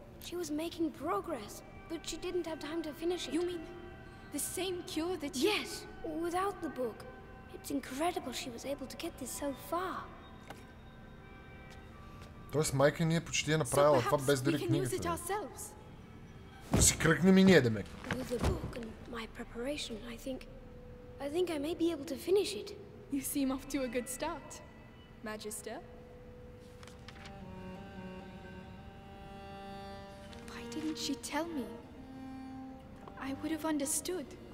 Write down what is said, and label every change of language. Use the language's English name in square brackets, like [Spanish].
[English] She was making progress. But she didn't have time to finish it. You mean the same cure that you... Yes, without the book. It's incredible she was able to get this so far. [Bulgarian] Тоест майка ни е почти направила това без дори книгата. [English] So perhaps we can use it ourselves. [Bulgarian] Си кръкнем и ние, демек. [English] With the book and my preparation, I think I may be able to finish it. You seem off to a good start, Magister. Didn't she tell me? I would have understood.